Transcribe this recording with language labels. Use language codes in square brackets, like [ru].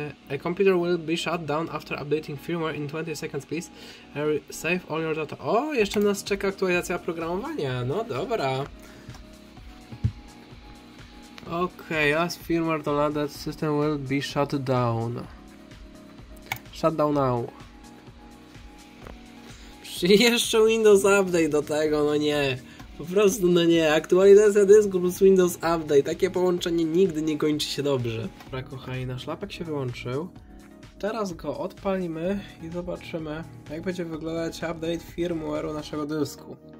[en] A computer will be shut down after updating firmware in 20 seconds, please. Save all your data. [pl] O, jeszcze nas czeka aktualizacja oprogramowania. No dobra. [en] Okej, okay, as firmware to lada, system will be shut down. Shut down now. [pl] Czy jeszcze Windows Update do tego? No nie. Po prostu, no nie. Aktualizacja dysku plus Windows Update. Takie połączenie nigdy nie kończy się dobrze. Dobra, kochani, nasz lapek się wyłączył. Teraz go odpalimy i zobaczymy, jak będzie wyglądać update firmware'u naszego dysku.